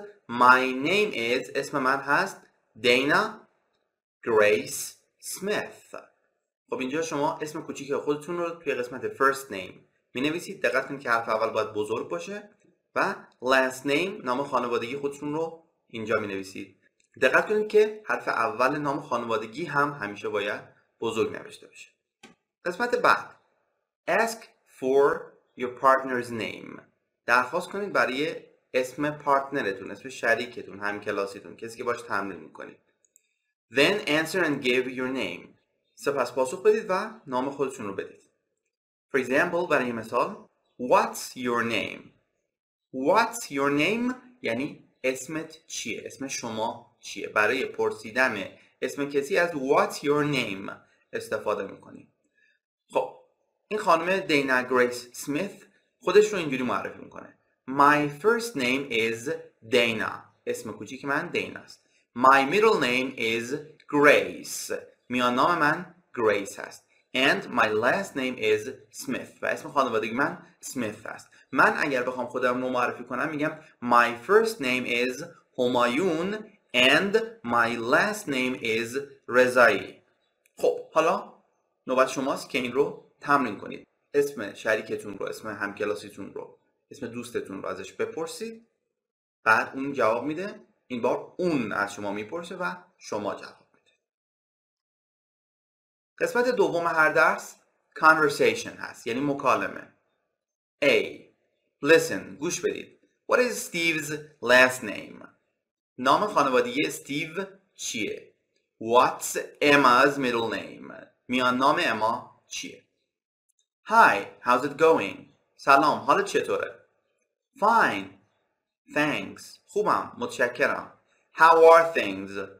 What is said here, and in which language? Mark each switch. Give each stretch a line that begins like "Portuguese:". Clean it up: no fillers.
English: My name is
Persian: اسم من هست
English: Dana Grace Smith.
Persian: خب اینجا شما اسم کوچیک خودتون رو توی قسمت first name می نویسید. دقت کنید که حرف اول باید بزرگ باشه و last name نام خانوادگی خودتون رو اینجا می نویسید. دقت کنید که حرف اول نام خانوادگی هم همیشه باید بزرگ نوشته باشه. قسمت بعد
English: Ask for your partner's name.
Persian: درخواست کنید برای اسم پارتنرتون، اسم شریکتون، همکلاسیتون، کسی که باش تمرین میکنید.
English: Then answer and give your name.
Persian: سپس پاسخ بدید و نام خودتون رو بدید.
English: For example,
Persian: برای مثال
English: What's your name? What's your name?
Persian: یعنی اسمت چیه؟ اسم شما چیه؟ برای پرسیدن اسم کسی از
English: What's your name
Persian: استفاده میکنید. خب این خانم دینا گریس سمیث خودش رو اینجوری معرفی میکنه.
English: My first name is Dana.
Persian: اسم کوچیک من دینا است.
English: My middle name is Grace.
Persian: میان نام من Grace است.
English: And my last name is Smith.
Persian: و اسم خانوادگی من Smith است. من اگر بخوام خودم رو معرفی کنم میگم
English: My first name is Humayun and my last name is Rezai.
Persian: خب حالا نوبت شماست که این رو تمرین کنید. اسم شریکتون رو، اسم همکلاسیتون رو، اسم دوستتون رو ازش بپرسید. بعد اون جواب میده. این بار اون از شما میپرسه و شما جواب میده. قسمت دوم هر درس conversation هست. یعنی مکالمه. A. Listen. گوش بدید.
English: What is Steve's last name?
Persian: نام خانوادگی استیو چیه؟
English: What's Emma's middle name?
Persian: میان نام اما چیه؟
English: Hi, how's it going?
Persian: سلام، حالت چطوره؟
English: Fine, thanks.
Persian: خوبم، متشکرم.
English: How are things?